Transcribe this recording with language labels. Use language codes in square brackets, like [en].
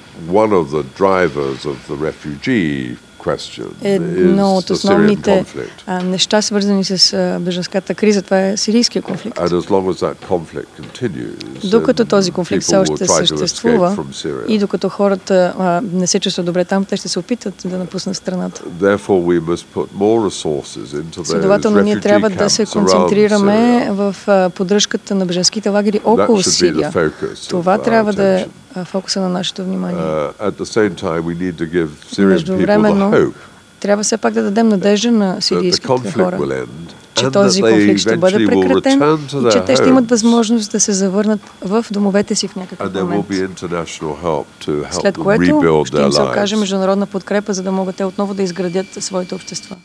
[en] One of the drivers of the refugee question. [bg] Едно от основните неща, свързани с бежанската криза, това е сирийския конфликт. [en] And as long as that conflict continues, [bg] докато този конфликт все още съществува и докато хората не се чувстват добре там, те ще се опитат да напуснат страната. [en] Therefore we must put more resources into those refugee camps around Syria. [bg] Ние трябва да се концентрираме в поддръжката на бежанските лагери около Сирия. Това трябва да е фокуса на нашето внимание. [en] At the same time we need to give Syrian people the hope. [bg] Трябва все пак да дадем надежда на сирийските хора, че този конфликт ще бъде прекратен и че те ще имат възможност да се завърнат в домовете си в някакъв момент. След което ще им се окаже международна подкрепа, за да могат те отново да изградят своите общества.